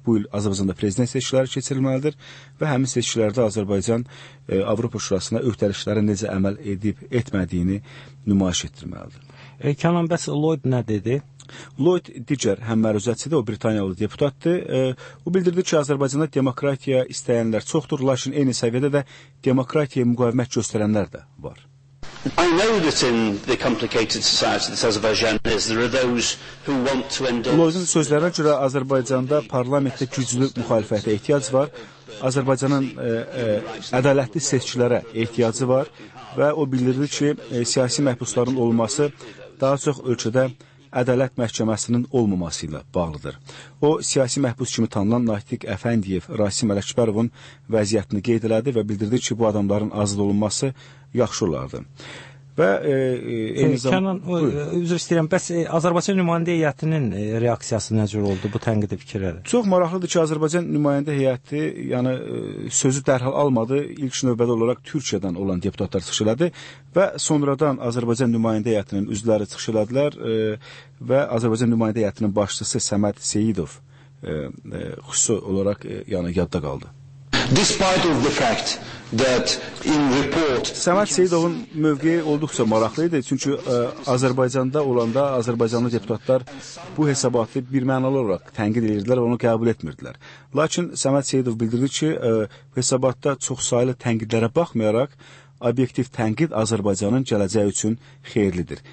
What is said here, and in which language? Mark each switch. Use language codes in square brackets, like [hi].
[az] Bu il Azərbaycanda prezident seçkiləri keçirilməlidir və həmin seçkilərdə Azərbaycan Avropa Şurasına öhdəliklərə necə əməl edib etmədiyini nümayiş etdirməlidir. Kənan, bəs Lloyd nə dedi? Lloyd digər həm məruzətçidir, o Britaniyalı deputatdır. O bildirdi ki, Azərbaycanda demokratiya istəyənlər çoxdur, lakin eyni səviyyədə də demokratiyaya müqavimət göstərənlər də var. [en] I know that in the complicated society that Azerbaijan is, there are those who want to endorse. [az] Lloyd'un sözlərinə görə Azərbaycanda parlamentdə güclü müxalifətə ehtiyac var. Azərbaycanın ədalətli seçkilərə ehtiyacı var və o bildirdi ki, siyasi məhbusların olması daha çox ölkədə Ədalət məhkəməsinin olmaması ilə bağlıdır. O, siyasi məhbus kimi tanınan Natiq Əfəndiyev, Rasim Ələkbərovun vəziyyətini qeyd elədi və bildirdi ki, bu adamların azad olunması yaxşı olardı. Və Kənan, üzr istəyirəm, bəs Azərbaycan nümayəndə heyətinin reaksiyası nə cür oldu bu tənqidi fikirlərə? Çox maraqlıdır ki, Azərbaycan nümayəndə heyəti, yəni sözü dərhal almadı, ilk növbədə olaraq Türkiyədən olan deputatlar çıxış elədi və sonradan Azərbaycan nümayəndə heyətinin üzvləri çıxış elədilər və Azərbaycan nümayəndə heyətinin başçısı Səməd Seyidov xüsusi olaraq yəni yadda qaldı. [en] Despite of the fact that in report [az] Səməd Seyidovun mövqeyi olduqca maraqlı idi çünki Azərbaycanda olanda Azərbaycanlı deputatlar bu hesabatı bir mənalı olaraq tənqid edirdilər və onu qəbul etmirdilər. Lakin Səməd Seyidov bildirdi ki, hesabatda çoxsaylı tənqidlərə baxmayaraq obyektiv tənqid Azərbaycanın gələcəyi üçün xeyirlidir.